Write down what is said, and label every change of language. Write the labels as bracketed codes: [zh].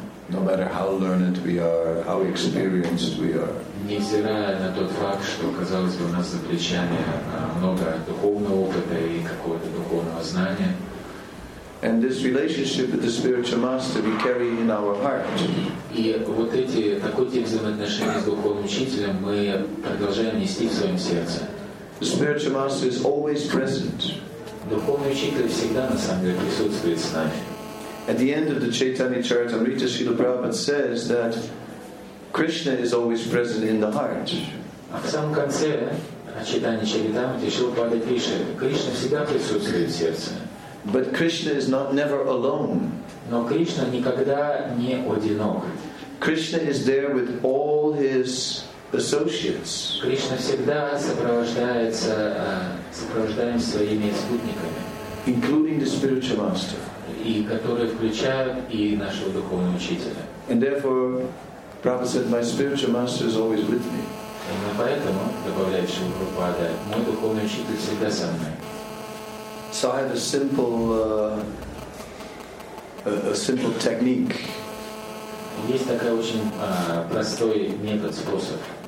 [en] No matter how learned we are, how experienced we are. [ru] Невзирая на тот факт, что, казалось бы, у нас за плечами много духовного опыта и какого-то духовного знания. [en] And this relationship with the spiritual master we carry in our heart. [ru] И вот такой тип взаимоотношений с духовным учителем мы продолжаем нести в своем сердце. [en] The spiritual master is always present. [ru] Духовный учитель всегда, на самом деле, присутствует с нами. [en] At the end of the Chaitanya Charitamrita, Srila Prabhupada says that Krishna is always present in the heart. [ru] В самом конце Chaitanya Charitamrita Srila Prabhupada пишет, Кришна всегда присутствует в сердце. [en] But Krishna is not never alone. [ru] Но Кришна никогда не одинок. [en] Krishna is there with all his associates. [ru] Кришна всегда сопровождаем своими спутниками. [en] Including the spiritual master. [ru] И которые включают и нашего духовного учителя. [en] And therefore, Prabhupada said, my spiritual master is always with me. [ru] Именно поэтому, добавляет Шрила Прабхупада, мой духовный учитель всегда со мной. [en] So I have a simple technique. [ru] Есть такой очень простой метод, способ.